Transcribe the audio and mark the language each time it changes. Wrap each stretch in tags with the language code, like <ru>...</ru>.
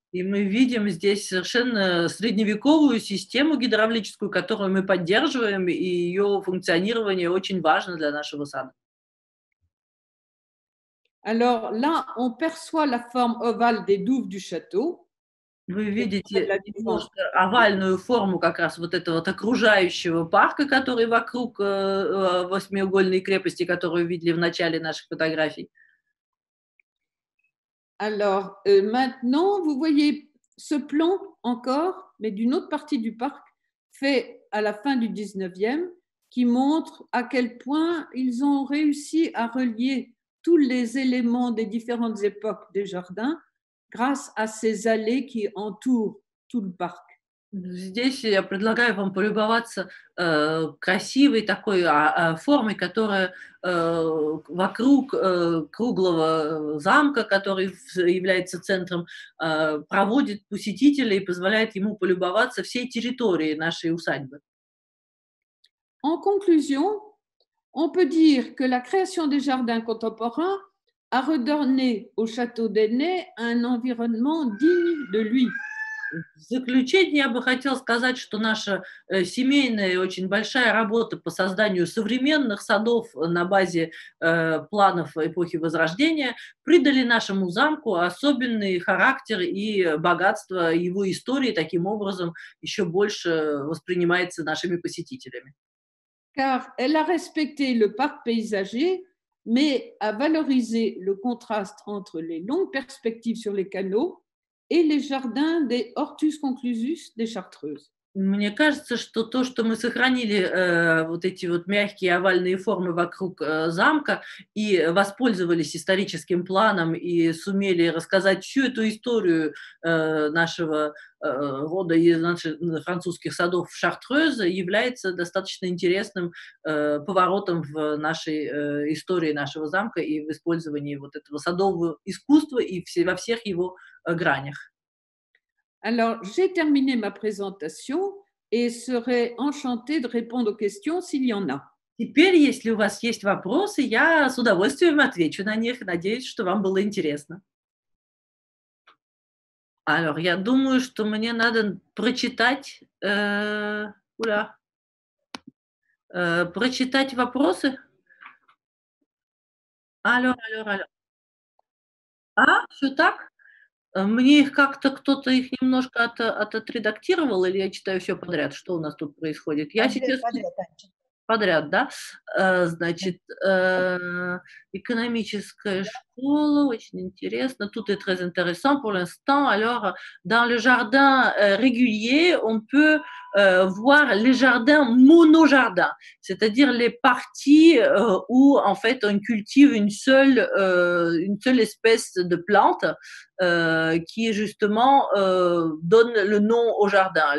<ru>И мы видим здесь совершенно средневековую систему гидравлическую, которую мы поддерживаем, и ее функционирование очень важно для нашего сада.</ru> <fr>Alors là, on perçoit la forme ovale des douves du château.</fr> <ru>Вы видите овальную форму как раз вот этого вот окружающего парка, который вокруг восьмиугольной крепости, которую видели в начале наших фотографий.</ru> <fr>Alors, maintenant, vous voyez ce plan encore, mais d'une autre partie du parc, fait à la fin du 19e, qui montre à quel point ils ont réussi à relier tous les éléments des différentes époques des jardins grâce à ces allées qui entourent tout le parc.</fr> <ru>Здесь я предлагаю вам полюбоваться красивой такой формой, которая вокруг круглого замка, который является центром, проводит посетителей и позволяет ему полюбоваться всей территорией нашей усадьбы.</ru> <fr>En conclusion, on peut dire que la création des jardins contemporains a redonné au château d'Ennet un environnement digne de lui.</fr> <ru>В заключение я бы хотел сказать, что наша семейная очень большая работа по созданию современных садов на базе планов эпохи Возрождения придали нашему замку особенный характер и богатство его истории, таким образом еще больше воспринимается нашими посетителями.</ru> <fr>Car elle a respecté le parc paysager, mais a valorisé le contraste entre les longues perspectives sur les canaux et les jardins des Hortus Conclusus des Chartreuses.</fr> <ru>Мне кажется, что то, что мы сохранили вот эти вот мягкие овальные формы вокруг замка и воспользовались историческим планом и сумели рассказать всю эту историю нашего рода и наших французских садов в Шартрёзе, является достаточно интересным поворотом в нашей истории нашего замка и в использовании вот этого садового искусства и во всех его гранях.</ru> <fr>Alors, j'ai terminé ma présentation et serai enchantée de répondre aux questions s'il y en a.</fr> <ru>Теперь, если у вас есть вопросы, я с удовольствием отвечу на них. Надеюсь, что вам было интересно. Alors, я думаю, что мне надо прочитать, прочитать вопросы. Алло. А, все так? Мне их как-то кто-то их немножко отредактировал, или я читаю все подряд, что у нас тут происходит? Я сейчас подряд, да? Значит, экономическая школа, очень интересно.</ru> <fr>Тут est très intéressant pour l'instant. Alors, dans le jardin régulier, on peut voir les jardins monojardins, c'est-à-dire les parties où, en fait, on cultive une seule espèce de plante qui, justement, donne le nom au jardin.</fr>